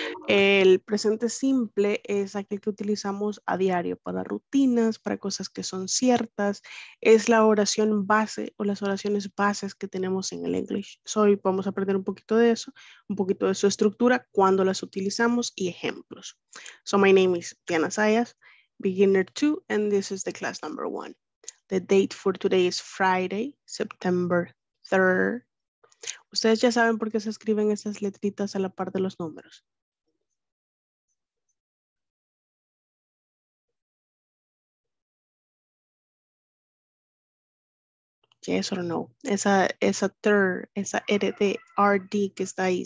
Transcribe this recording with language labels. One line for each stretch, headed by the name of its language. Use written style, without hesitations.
Spanish: El presente simple es aquel que utilizamos a diario para rutinas, para cosas que son ciertas. Es la oración base o las oraciones bases que tenemos en el English. So, hoy vamos a aprender un poquito de eso, un poquito de su estructura, cuándo las utilizamos y ejemplos.
English: So, my name is Diana Sayas, beginner 2, and this is the class number 1. The date for today is Friday, September 3rd.
Spanish: Ustedes ya saben por qué se escriben esas letritas a la par de los números.
English: Yes or no.
Spanish: Esa third, esa RD, RD que está ahí.